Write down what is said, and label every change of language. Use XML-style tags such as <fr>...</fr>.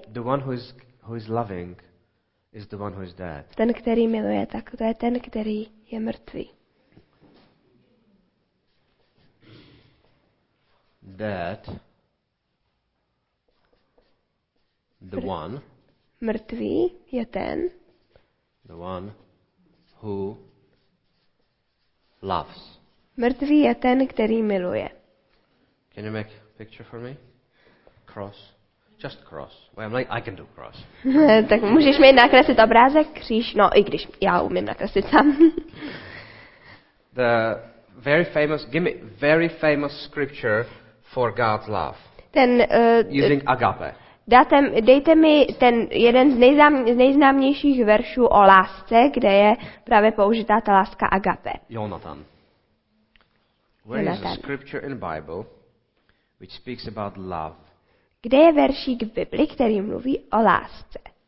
<en>The one who is loving is the one who is dead.</en> <cs>Ten, který miluje, tak to je ten, který je mrtvý.</cs> <en>Dead The one.</en> <cs>Mrtvý je ten.</cs> <en>The one who loves.</en> <cs>Mrtvý je ten, který miluje.</cs> <en>Can you make a picture for me? Cross. Just cross. Well, I'm like, I can do cross.</en> <cs>Tak můžeš mi nakreslit obrázek kříž, no i když já umím nakreslit sám.</cs> <en>The very famous, give me very famous scripture for God's love.</en> <cs>Ten</cs> <en>using agape.</en> <cs>Dejte mi ten jeden z nejznámějších veršů o lásce, kde je právě použitá ta láska agape.</cs> <en>Jonathan. Where is the scripture in Bible which speaks about love?</en> <cs>Kde je veršík v Bibli, který mluví o lásce?</cs>